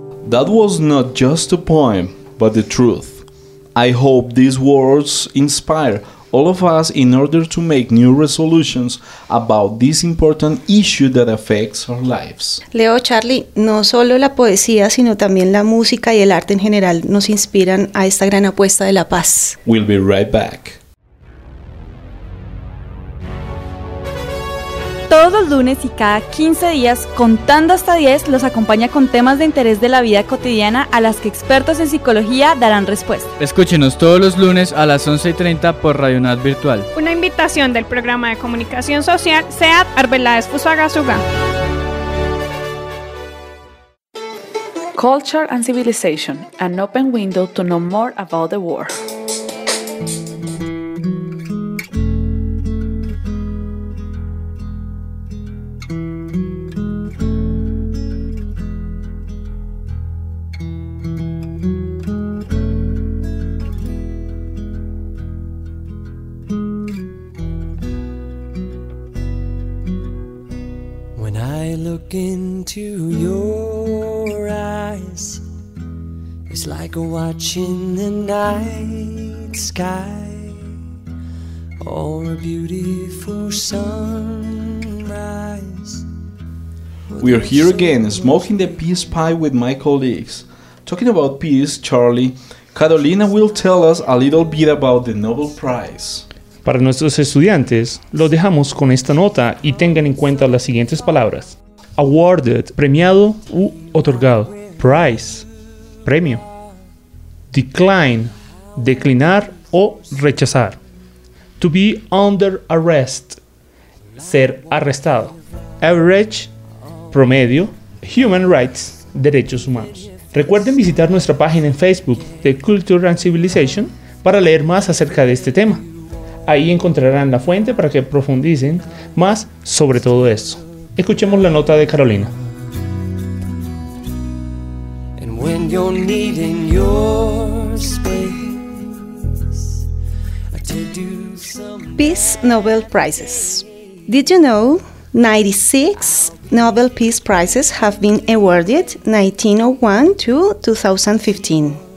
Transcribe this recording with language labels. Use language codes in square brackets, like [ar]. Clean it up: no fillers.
[en] That was not just a poem, but the truth. I hope these words inspire all of us in order to make new resolutions about this important issue that affects our lives. [es] Leo, Charlie, no solo la poesía, sino también la música y el arte en general nos inspiran a esta gran apuesta de la paz. [en] We'll be right back. [es] Todos los lunes y cada 15 días, contando hasta 10, los acompaña con temas de interés de la vida cotidiana a las que expertos en psicología darán respuesta. Escúchenos todos los lunes a las 11:30 por Radio UNAD Virtual. Una invitación del programa de comunicación social, SEAD Arbeláez Fusagasugá. [en] Culture and Civilization, an open window to know more about the world. Into your eyes, it's like watching the night sky or a beautiful sunrise. We are here again smoking the peace pie with my colleagues. Talking about peace, Charlie, Carolina will tell us a little bit about the Nobel Prize. [es] Para nuestros estudiantes, lo dejamos con esta nota y tengan en cuenta las siguientes palabras. Awarded, premiado u otorgado. Prize, premio. Decline, declinar o rechazar. [en] To be under arrest, [es] ser arrestado. Average, promedio. [en] Human rights, [es] derechos humanos. Recuerden visitar nuestra página en Facebook de Culture and Civilization para leer más acerca de este tema. Ahí encontrarán la fuente para que profundicen más sobre todo esto. Escuchemos la nota de Carolina. [en] And when you're needing your space, to do some Peace Nobel Prizes. Did you know 96 Nobel Peace Prizes have been awarded 1901 to 2015?